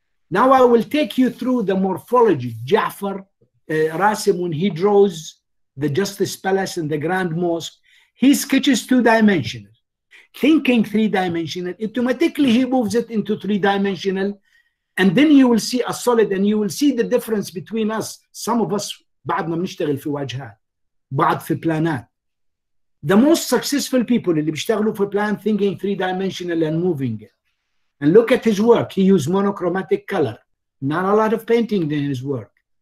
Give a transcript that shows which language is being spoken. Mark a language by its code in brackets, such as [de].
[en] Now I will take you through the morphology. Jafar, Rasim, when he draws the Justice Palace and the Grand Mosque, he sketches two-dimensional. Thinking three-dimensional, automatically he moves it into three-dimensional. And then you will see a solid, and you will see the difference between us. Some of us, [ar] بعضنا بنشتغل في واجهات. بعض في بلانات. [en] The most successful people [ar] اللي بيشتغلوا في بلان [en] thinking three-dimensional and moving it. And look at his work. He used monochromatic color. Not a lot of painting in his work.